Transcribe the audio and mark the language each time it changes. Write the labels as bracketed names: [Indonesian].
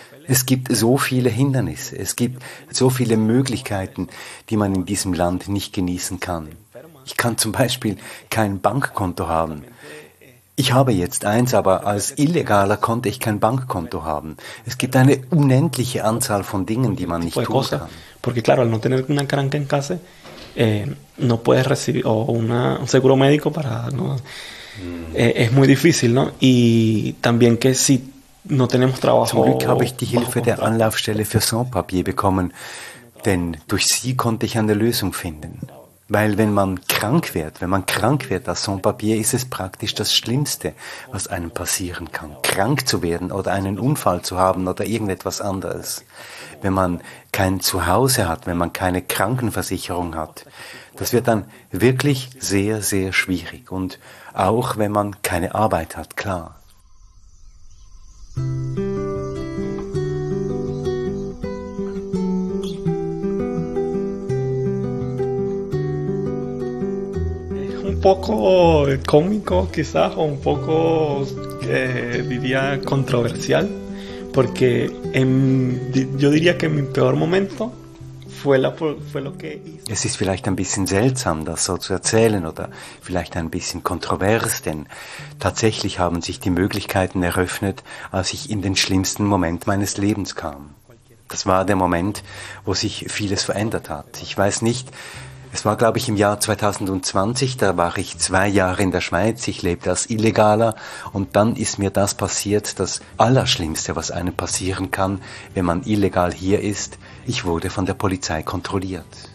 [German] Es gibt so viele Hindernisse, es gibt so viele Möglichkeiten, die man in diesem Land nicht genießen kann. Ich kann zum Beispiel kein Bankkonto haben. Ich habe jetzt eins, aber als Illegaler konnte ich kein Bankkonto haben. Es gibt eine unendliche Anzahl von Dingen, die man nicht tun kann. [Spanish] Porque claro, al no tener una cranka en casa, no puedes recibir o un seguro médico para, ¿no? Es muy difícil, ¿no? Y también que si no tenemos trabajo. [German] Zum Glück habe ich die Hilfe der Anlaufstelle für Sans-Papier bekommen, denn durch sie konnte ich eine Lösung finden. Weil wenn man krank wird als Sans-Papier, ist es praktisch das Schlimmste, was einem passieren kann. Krank zu werden oder einen Unfall zu haben oder irgendetwas anderes. Wenn man kein Zuhause hat, wenn man keine Krankenversicherung hat, das wird dann wirklich sehr, sehr schwierig. Und auch wenn man keine Arbeit hat, klar. [Spanish] Un poco cómico quizás, o un poco diría controversial, porque yo diría que mi peor momento fue lo que hice. [German] Es ist vielleicht ein bisschen seltsam, das so zu erzählen, oder vielleicht ein bisschen kontrovers, denn tatsächlich haben sich die Möglichkeiten eröffnet, als ich in den schlimmsten Moment meines Lebens kam. Das war der Moment, wo sich vieles verändert hat. Ich weiß nicht, es war, glaube ich, im Jahr 2020, da war ich 2 Jahre in der Schweiz, ich lebte als Illegaler und dann ist mir das passiert, das Allerschlimmste, was einem passieren kann, wenn man illegal hier ist, ich wurde von der Polizei kontrolliert.